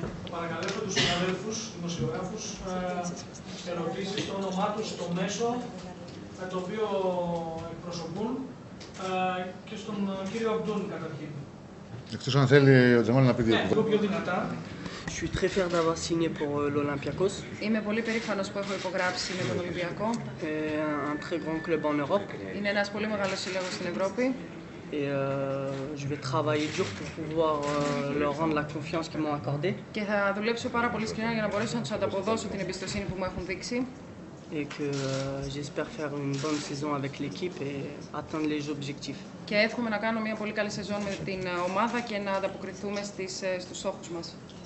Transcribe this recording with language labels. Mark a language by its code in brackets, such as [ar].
[el] Παρακαλέσω τους συναδέλφους, δημοσιογράφους, σε ερωτήσεις το όνομά τους στο μέσο με το οποίο εκπροσωπούν και στον κύριο Αμπτούν καταρχήν. Εκτός αν θέλει ο Τζαμάλ να πει δύο κουβέντες. Ναι, πιο δυνατά. [fr] Je suis très fier d'avoir signé pour l'Olympiakos. [el] Είμαι πολύ περήφανος που έχω υπογράψει με τον Ολυμπιακό. [fr] Un très grand club en Europe. [el] Είναι ένας πολύ μεγάλος σύλλογος στην Ευρώπη. [fr] Et je vais travailler dur pour pouvoir leur rendre la confiance qu'ils m'ont accordée. [el] Και θα δουλέψω πάρα πολύ σκληρά για να μπορέσω να τους ανταποδώσω την εμπιστοσύνη που μου έχουν δείξει. [fr] Et que j'espère faire une bonne saison avec l'équipe et atteindre les objectifs. [el] Και εύχομαι να κάνω μια πολύ καλή σεζόν με την ομάδα και να ανταποκριθούμε στους στόχους μας.